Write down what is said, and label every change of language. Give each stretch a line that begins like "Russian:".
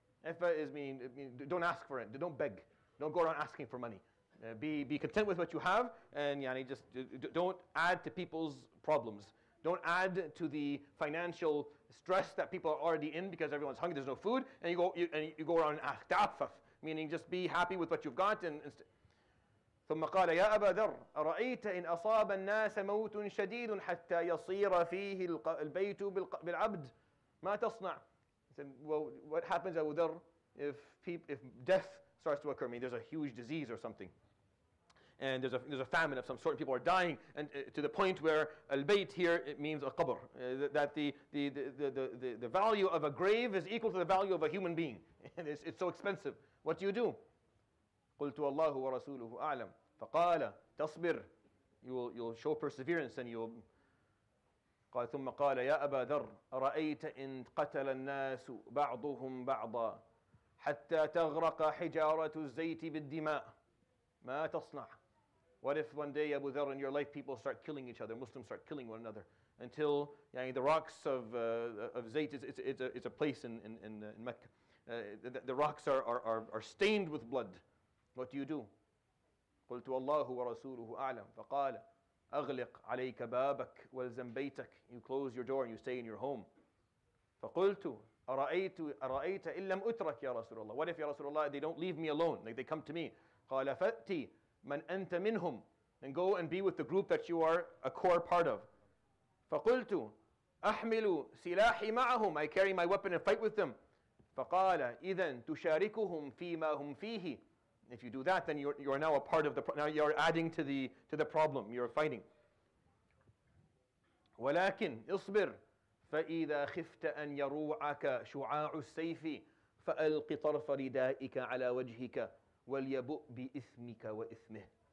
English: Iffa is mean, don't ask for it, don't beg, don't go around asking for money. Be content with what you have, and just don't add to people's problems. Don't add to the financial stress that people are already in because everyone's hungry, there's no food, and you go around and ask. Ta'affaf, meaning just be happy with what you've got.
Arabic: ثم قال يا أبا ذر أرأيت إن أصاب الناس موت شديد حتى يصير فيه البيت بالعبد ما تصنع.
English: He said, well, what happens, Abu Dharr, if death starts to occur? I mean, there's a huge disease or something. And there's a famine of some sort, and people are dying, and to the point where al-bayt here, it means a qabr. That the value of a grave is equal to the value of a human being. And it's so expensive. What do you do?
Arabic: قُلْتُ اللَّهُ وَرَسُولُهُ أَعْلَمُ فَقَالَ تَصْبِرْ.
English: You'll show perseverance and you'll...
Arabic: قال ثم قال يا أبا ذر رأيت إن قتل الناس بعضهم بعضا حتى تغرق حجارة الزيت بالدماء ما تصنع.
English: What if one day, Abu Dharr, in your life people start killing each other, Muslims start killing one another until the rocks of Zayt, it's a place in Mecca, the rocks are stained with blood. What do you do?
Arabic: قلت الله ورسوله أعلم فقال أغلق عليك بابك والزم بيتك.
English: You close your door and you stay in your home.
Arabic: فقلت أرأيت إن لم أترك يا رسول الله.
English: What if,
Arabic: يا رسول الله,
English: they don't leave me alone, like they come to me.
Arabic: قال فأتي من أنت منهم.
English: And go and be with the group that you are a core part of.
Arabic: فقلت أحمل سلاحي معهم.
English: I carry my weapon and fight with them.
Arabic: فقال إذن تشاركهم فيما هم فيه.
English: If you do that, then you are now a part of the problem. Now you are adding to the problem. You are fighting.
Arabic: ولكن اصبر فَإِذَا خِفْتَ أَنْ يَرُوعَكَ شُعَاعُ السَّيْفِ فَأَلْقِ طَرْفَ رِدَائِكَ عَلَى وَجْهِكَ وَلْيَبُؤْ بِإِثْمِكَ وَإِثْمِهِ.